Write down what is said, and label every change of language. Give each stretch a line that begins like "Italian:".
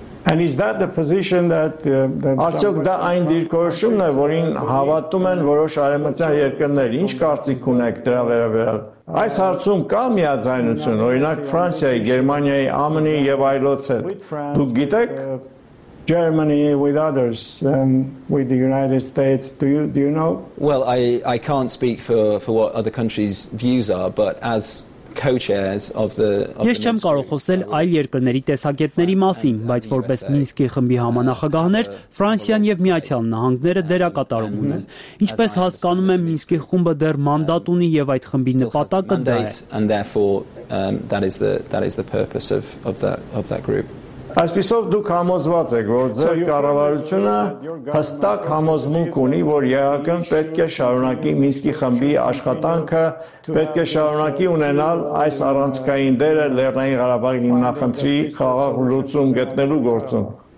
English: And is that the position that
Armenian: Արդյոք դա այն դիրքորոշումն է, որին հավատում են որոշ արևմտյան երկրներ։ Ինչ կարծիք ունեք դրա վերաբերյալ, Այս հարցում կա միաձայնություն, օրինակ Ֆրանսիայի, Գերմանիայի, ԱՄՆ-ի եւ այլոց հետ։ Դուք գիտեք,
English: Germany with others and with the United States, do you know? Well, I can't speak for what other countries' views are, but as co-chairs of the
Armenian: Ես չեմ կարող խոսել այլ երկրների տեսակետների մասին, բայց որպես Մինսկի խմբի համանախագահներ, Ֆրանսիան եւ Միացյալ Նահանգները դերակատարում ունեն։ Ինչպես հասկանում եմ, Մինսկի խումբը դեռ մանդատ ունի եւ այդ խմբի նպատակը դա է։
English: And therefore, that is the purpose of that group.
Armenian: Այսպիսով դուք համոզված եք, որ ձեր կառավարությունը հստակ համոզմունք ունի, որ ԵԱԿ-ն պետք է շարունակի Մինսկի խմբի աշխատանքը, պետք է շարունակի ունենալ այս առանցքային դերը Լեռնային Ղարաբաղի հիմնախնդրի խաղաղ լուծում գտնելու գործում։